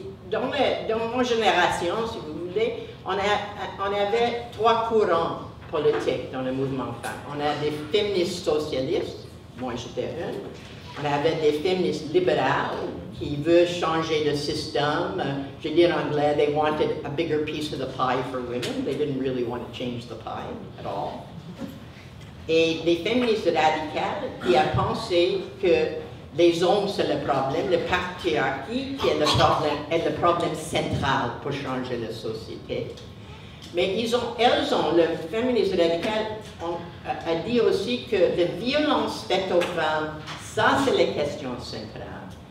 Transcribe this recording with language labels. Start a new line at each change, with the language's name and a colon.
French: Dans mon génération, si vous voulez, on avait trois courants politiques dans le mouvement femmes. On a des féministes socialistes, moi j'étais une. On avait des féministes libérales qui veulent changer le système. Je dis en anglais,
English: they wanted a bigger piece of the pie for women. They didn't really want to change the pie at all.
French: Et des féministes radicales qui ont pensé que les hommes c'est le problème, le patriarcat qui est le problème central pour changer la société. Mais le féministe radical a dit aussi que la violence faite aux femmes, ça c'est la question centrale.